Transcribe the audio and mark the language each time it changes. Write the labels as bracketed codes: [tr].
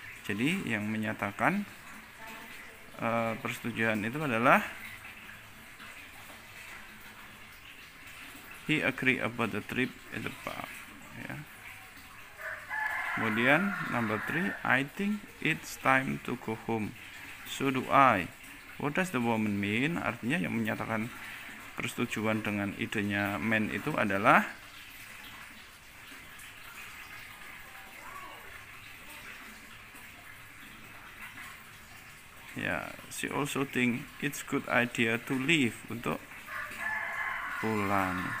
[id] Jadi yang menyatakan persetujuan itu adalah [en] he agree about the trip at the pub. [id] Ya. [en] Kemudian number 3, I think it's time to go home. So do I. What does the woman mean? [id] Artinya yang menyatakan persetujuan dengan idenya man itu adalah ya, [en] she also think it's good idea to leave, [id] untuk pulang.